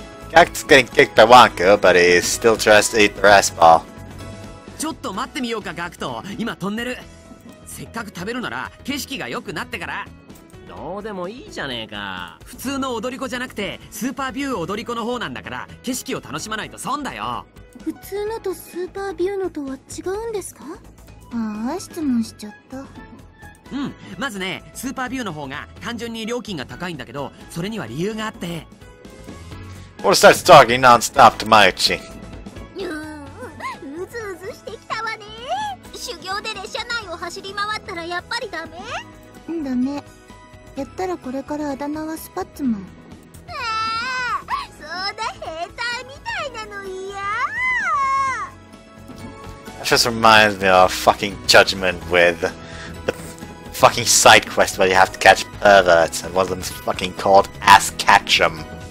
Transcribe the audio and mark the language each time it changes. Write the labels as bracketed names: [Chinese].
[English] Cactus getting kicked by Wanko, but he still tries to eat the rice ball. [Japanese] ちょっと待ってみようか、ガクト。今トンネル。せっかく食べるなら景色が良くなってから。どうでもいいじゃねえか。普通の踊り子じゃなくてスーパービュー踊り子の方なんだから、景色を楽しまないと損だよ。普通のとスーパービューのとは違うんですか？ああ、質問しちゃった。うん、まずね、スーパービューの方が単純に料金が高いんだけど、それには理由があって。 [English] Moro starts talking non-stop to Majikoi. [Japanese] うずうずしてきたわね。修行で列車内を走り回ったらやっぱりダメ？ダメ。やったらこれからあだ名はスパッツマン。そうだ、兵隊みたいなの嫌。 [English] That just reminds me of fucking judgment with the fucking side quest where you have to catch perverts, and one of them is fucking called Ass Catch'em.